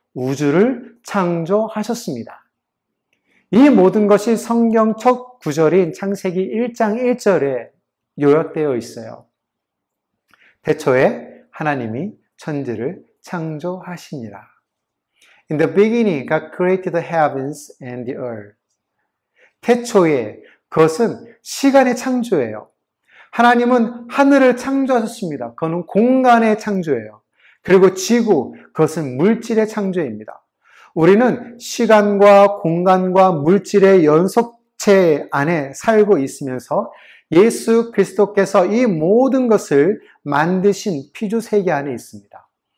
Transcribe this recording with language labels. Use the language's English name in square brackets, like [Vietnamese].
[Korean] 우주를 창조하셨습니다. 이 모든 것이 성경 첫 구절인 창세기 1장 1절에 요약되어 있어요. 태초에 하나님이 천지를 창조하시니라. [English] In the beginning, God created the heavens and the earth. [Korean] 태초에, 그것은 시간의 창조예요. 하나님은 하늘을 창조하셨습니다. 그거는 공간의 창조예요. 그리고 지구, 그것은 물질의 창조입니다. 우리는 시간과 공간과 물질의 연속체 안에 살고 있으면서 예수 그리스도께서 이 모든 것을 만드신 피조세계 안에 있습니다.